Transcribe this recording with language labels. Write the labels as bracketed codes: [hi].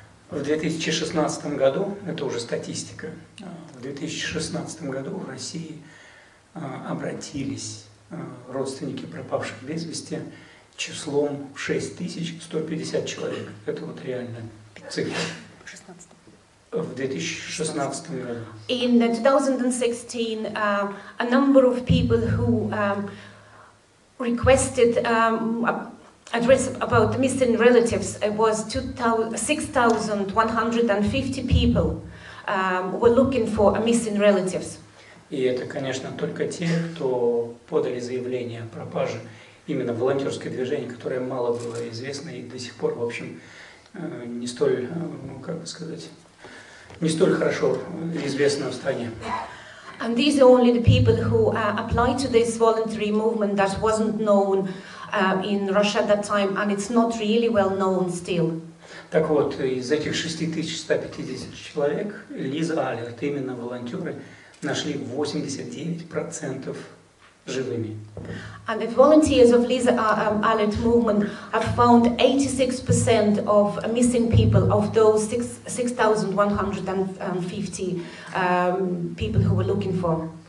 [ru] В 2016 году, это уже статистика, в 2016 году в России обратились родственники пропавших без вести числом 6150 человек. Это вот реально цифра. В 2016 году. [en] In 2016, a number of people who requested address about missing relatives, it was 6,150 people were looking for missing relatives. [ru] И это, конечно, только те, кто подали заявление о пропаже, именно волонтерское движение, которое мало было известно и до сих пор, в общем, не столь, как бы сказать... не столь хорошо известно в стране. [en] And these are only the people who applied to this voluntary movement that wasn't known in Russia at that time, and it's not really well known still. [ru] Так вот, из этих 6150 человек, Лиза Алерт, именно волонтеры, нашли 89% живыми. [en] And the volunteers of Lisa Alert movement have found 86% of missing people of those 6,150 people who were looking for.